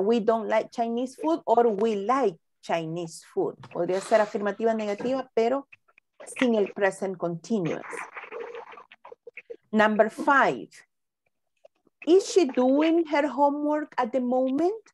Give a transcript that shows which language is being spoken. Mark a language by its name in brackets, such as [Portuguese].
[English] We don't like Chinese food or we like Chinese food. [Spanish] Podría ser afirmativa o negativa, pero sin el present continuous. [English] Number five, is she doing her homework at the moment?